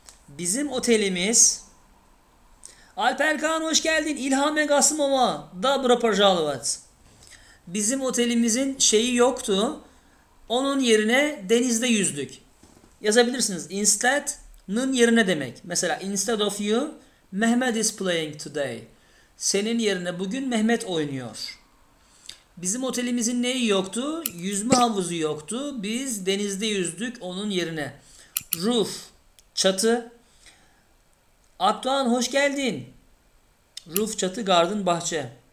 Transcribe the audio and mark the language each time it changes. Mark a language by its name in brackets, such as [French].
[Turkish] Bizim otelimiz. Alper Kağan hoş geldin. İlham Egasımova. Dobro pozdravljat. Bizim otelimizin şeyi yoktu. Onun yerine denizde yüzdük. Yazabilirsiniz. Instead'nin yerine demek. [English] Mesela instead of you, Mehmet is playing today. [Turkish] Senin yerine bugün Mehmet oynuyor. Bizim otelimizin neyi yoktu? Yüzme havuzu yoktu. Biz denizde yüzdük onun yerine. Roof, çatı. Abdoğan hoş geldin. Roof, çatı, garden, bahçe.